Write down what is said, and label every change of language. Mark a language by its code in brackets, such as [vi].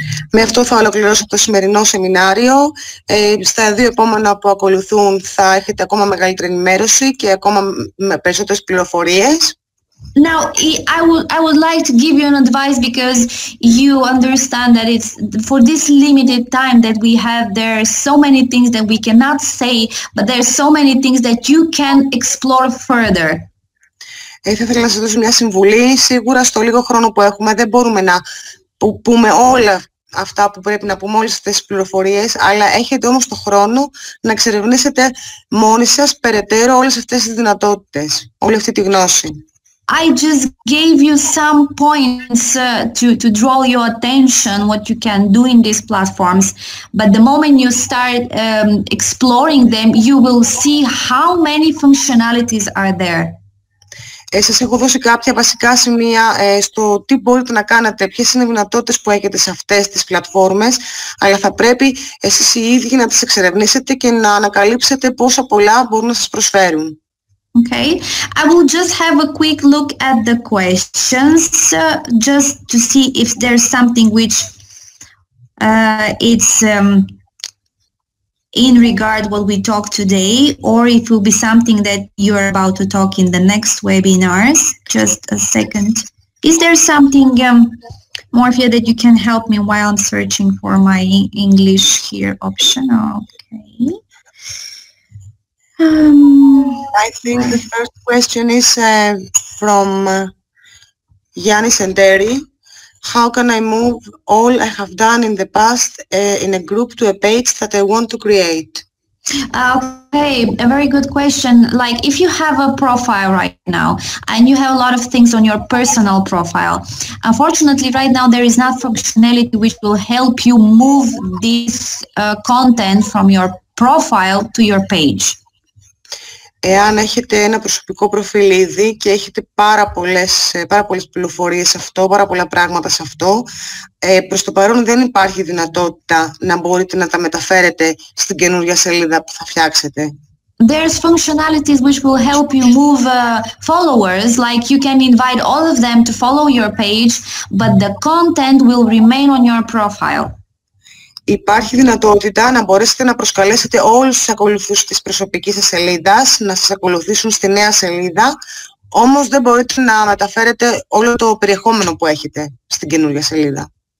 [el] Με αυτό θα ολοκληρώσω το σημερινό σεμινάριο. Στα δύο επόμενα που ακολουθούν θα έχετε ακόμα μεγαλύτερη ενημέρωση και ακόμα με περισσότερες πληροφορίες. [en] Now, I would like to give you an advice because you understand that it's for this limited time that we have, there are so many things that we cannot say, but there are so many things that you can explore further. [el] Θα ήθελα να σας δώσω μια συμβουλή. Σίγουρα στο λίγο χρόνο που έχουμε δεν μπορούμε να πούμε όλα αυτά που πρέπει να πούμε, όλες αυτές τις πληροφορίες, αλλά έχετε όμως το χρόνο να εξερευνήσετε μόνοι σας περαιτέρω όλες αυτές τις δυνατότητες, όλη αυτή τη γνώση. [en] I just gave you some points to draw your attention what you can do in these platforms, but the moment you start exploring them, you will see how many functionalities are there. [el] Σας έχω δώσει κάποια βασικά σημεία στο τι μπορείτε να κάνετε, ποιες είναι οι δυνατότητες που έχετε σε αυτές τις πλατφόρμες, αλλά θα πρέπει εσείς οι ίδιοι να τις εξερευνήσετε και να ανακαλύψετε πόσα πολλά μπορούν να σας προσφέρουν. [en] Okay, I will just have a quick look at the questions, just to see if there's something which it's in regard what we talked today, or if it will be something that you are about to talk in the next webinars. Just a second. Is there something, Morphia, that you can help me while I'm searching for my English here option? Okay. I think the first question is from Yannis and Terry. How can I move all I have done in the past in a group to a page that I want to create? Okay, a very good question. Like if you have a profile right now and you have a lot of things on your personal profile, unfortunately right now there is not functionality which will help you move this content from your profile to your page. [el] Εάν έχετε ένα προσωπικό προφίλ ήδη και έχετε πάρα πολλές πληροφορίες σε αυτό, πάρα πολλά πράγματα σε αυτό, προς το παρόν δεν υπάρχει δυνατότητα να μπορείτε να τα μεταφέρετε στην καινούργια σελίδα που θα φτιάξετε. [en] There's functionalities which will help you move followers, like you can invite all of them to follow your page, but the content will remain on your profile. [el] Υπάρχει δυνατότητα να μπορέσετε να προσκαλέσετε όλους τους ακολουθούς της προσωπικής σας σελίδας να σας ακολουθήσουν στη νέα σελίδα, όμως δεν μπορείτε να μεταφέρετε όλο το περιεχόμενο που έχετε στην καινούργια σελίδα.